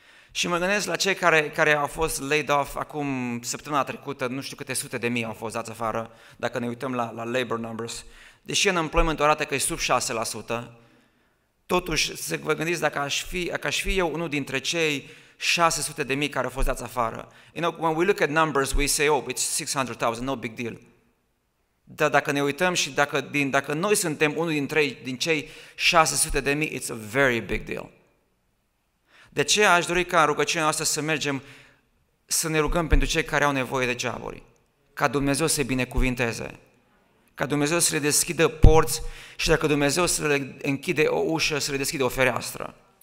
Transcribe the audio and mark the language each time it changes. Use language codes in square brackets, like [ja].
[ro] Și mă gândesc la cei care au fost laid off acum săptămâna trecută, nu știu câte sute de mii au fost dați afară, dacă ne uităm la labor numbers, deși unemployment arată că e sub 6%, totuși să vă gândiți dacă aș fi eu unul dintre cei 600 de mii care au fost dați afară. [en] You know, when we look at numbers, we say, oh, it's 600,000, no big deal. [ro] Dar dacă ne uităm și dacă noi suntem unul din cei 600 de mii, [en] it's a very big deal. [ro] De aceea aș dori ca în rugăciunea noastră să mergem să ne rugăm pentru cei care au nevoie de geaburi. Ca Dumnezeu să-i binecuvinteze. Ca Dumnezeu să le deschidă porți și dacă Dumnezeu să le închide o ușă, să le deschide o fereastră.